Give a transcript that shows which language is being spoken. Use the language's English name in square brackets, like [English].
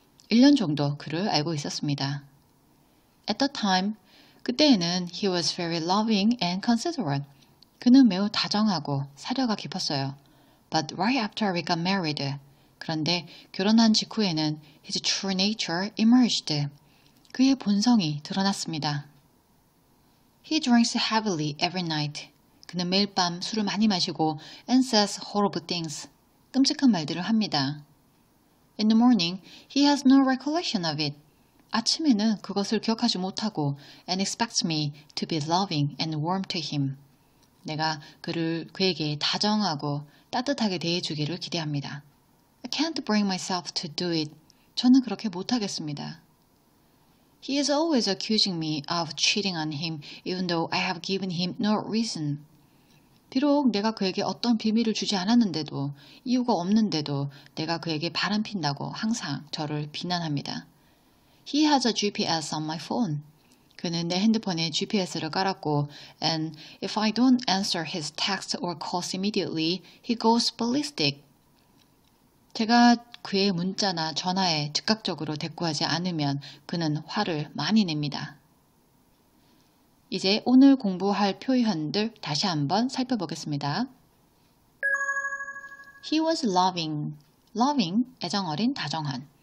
[Korean] 1년 정도 그를 알고 있었습니다. [English] At the time, [Korean] 그때에는 [English] he was very loving and considerate. [Korean] 그는 매우 다정하고 사려가 깊었어요. [English] But right after we got married, [Korean] 그런데 결혼한 직후에는 [English] his true nature emerged. [Korean] 그의 본성이 드러났습니다. [English] He drinks heavily every night. [Korean] 그는 매일 밤 술을 많이 마시고 [English] and says horrible things. [Korean] 끔찍한 말들을 합니다. [English] In the morning, he has no recollection of it. [Korean] 아침에는 그것을 기억하지 못하고 [English] and expects me to be loving and warm to him. [Korean] 내가 그에게 다정하고 따뜻하게 대해주기를 기대합니다. [English] I can't bring myself to do it. [Korean] 저는 그렇게 못하겠습니다. [English] He is always accusing me of cheating on him, even though I have given him no reason. [Korean] 비록 내가 그에게 어떤 비밀을 주지 않았는데도, 이유가 없는데도 내가 그에게 바람핀다고 항상 저를 비난합니다. [English] He has a GPS on my phone. [Korean] 그는 내 핸드폰에 GPS를 깔았고 [English] and if I don't answer his text or calls immediately, he goes ballistic. [Korean] 제가 그의 문자나 전화에 즉각적으로 대꾸하지 않으면 그는 화를 많이 냅니다. 이제 오늘 공부할 표현들 다시 한번 살펴보겠습니다. [English] He was loving. Loving, [Korean] 애정 어린 다정한.